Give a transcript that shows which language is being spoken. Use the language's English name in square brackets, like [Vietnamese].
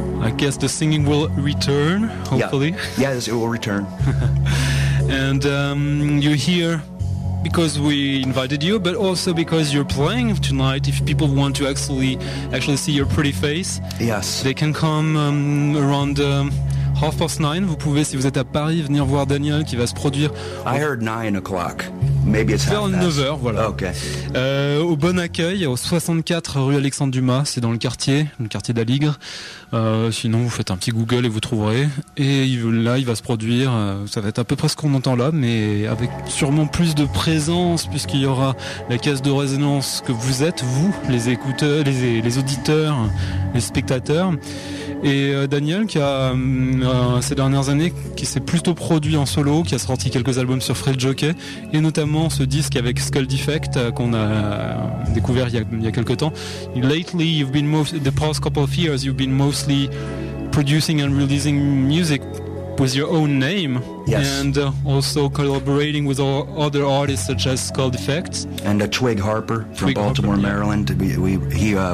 [English] I guess the singing will return, hopefully. Yeah. Yes, it will return. And you're here because we invited you, but also because you're playing tonight. If people want to actually see your pretty face, yes, they can come around 9:30. [French] Vous pouvez, si vous êtes à Paris, venir voir Daniel qui va se produire. [English] I heard 9:00. Maybe it's [French] vers 9h, voilà. Okay. Au Bon Accueil, au 64 rue Alexandre Dumas, c'est dans le quartier d'Aligre. Sinon, vous faites un petit Google et vous trouverez. Et là, il va se produire, ça va être à peu près ce qu'on entend là, mais avec sûrement plus de présence, puisqu'il y aura la caisse de résonance que vous êtes, vous, les écouteurs, les auditeurs, les spectateurs. Et Daniel, qui a ces dernières années, qui s'est plutôt produit en solo, qui a sorti quelques albums sur Fred Jockey, et notamment ce disque avec Skull Defect qu'on a découvert il y a quelques temps. [English] Lately, you've been the past couple of years, you've been mostly producing and releasing music with your own name, yes, and also collaborating with other artists such as Skull Defect and a Twig Harper from Twig Baltimore, Harper, Maryland. Yeah.